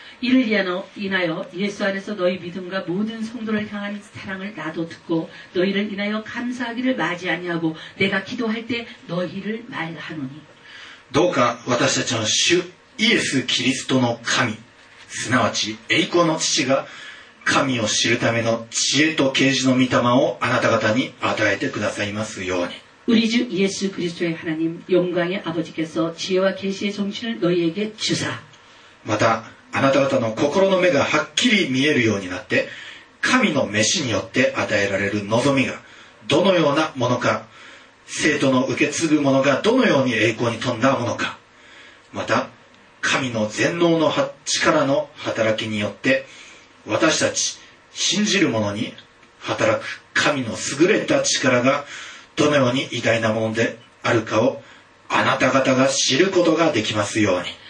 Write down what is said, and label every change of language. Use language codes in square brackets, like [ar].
[ko] 이를위하여이나여예수안에서너희믿음과모든성도를향한사랑을나도듣고너희를인하여감사하기를마지아니하고내가기도할때너희를말하노니 [ja] どうか私たちの主イエスキリストの神、すなわち栄光の父が神を知るための知恵と啓示の御霊をあなた方に与えてくださいますように。 [ko] 우리주예수그리스도의하나님영광의아버지께서지혜와계시의정신을너희에게주사 [ja] また、あなた方の心の目がはっきり見えるようになって神の召しによって与えられる望みがどのようなものか生徒の受け継ぐものがどのように栄光に富んだものかまた、神の全能の力の働きによって私たち信じる者に働く神の優れた力がどのように偉大なものであるかをあなた方が知ることができますように。